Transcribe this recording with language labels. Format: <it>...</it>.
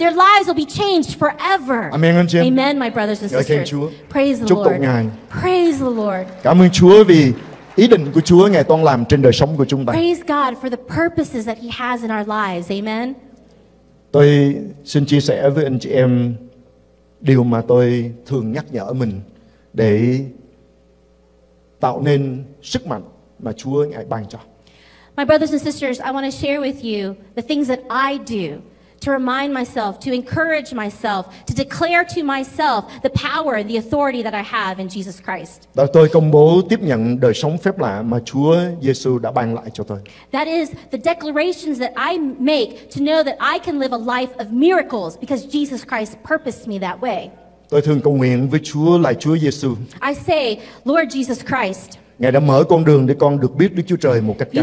<en>Their lives will be changed forever.</en> <vi>Amen, anh chị.</vi> <en>Amen, my brothers and sisters.</en> <vi>Cảm ơn Chúa.</vi> <en>Praise the</en> <vi>Chúc</vi> <en>Lord.</en> <vi>Ngài.</vi> <en>Praise the Lord.</en> <vi>Cảm ơn Chúa vì ý định của Chúa Ngài toan làm trên đời sống của chúng ta.</vi> <en>Praise God for the purposes that He has in our lives. Amen.</en> <vi>Tôi xin chia sẻ với anh chị em điều mà tôi thường nhắc nhở mình để tạo nên sức mạnh mà Chúa Ngài ban cho.</vi> <en>My brothers and sisters, I want to share with you the things that I do to remind myself, to encourage myself, to declare to myself the power, the authority that I have in Jesus Christ.</en> <vi>Đó, tôi công bố tiếp nhận đời sống phép lạ mà Chúa Giêsu đã ban lại cho tôi.</vi> <en>That is the declarations that I make to know that I can live a life of miracles because Jesus Christ purposed me that way.</en> <vi>Tôi thường cầu nguyện với Chúa là Chúa Giêsu.</vi> <en>I say, Lord Jesus Christ,</en> <vi>Ngài đã mở con đường để con được biết Đức Chúa Trời một cách cá</vi>